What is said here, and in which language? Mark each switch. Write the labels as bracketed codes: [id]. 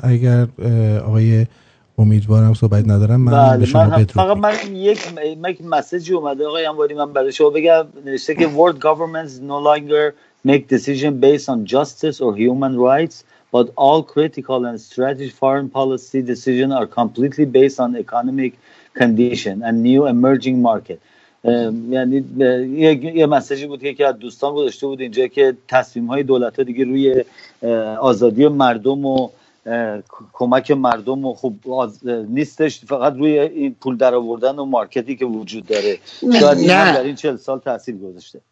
[fa] اگر آقای امیدوارم صحبت ندارم، من به شما بدرود. فقط من یک مسیجی اومده آقای انواری، من برای شما بگم. نوشته که [en] World governments no longer make decisions based on justice or human rights, but all critical and strategic foreign policy decisions are completely based on economic condition and new emerging market. [fa] یعنی یه مسیجی بود که یکی از دوستان گذاشته بود اینجا که تصمیم‌های دولت‌ها دیگه روی آزادی مردم و کمک مردم و خوب نیستش، فقط روی این پول در آوردن و مارکتی که وجود داره. شاید این هم در این 40 سال تأثیر گذاشته.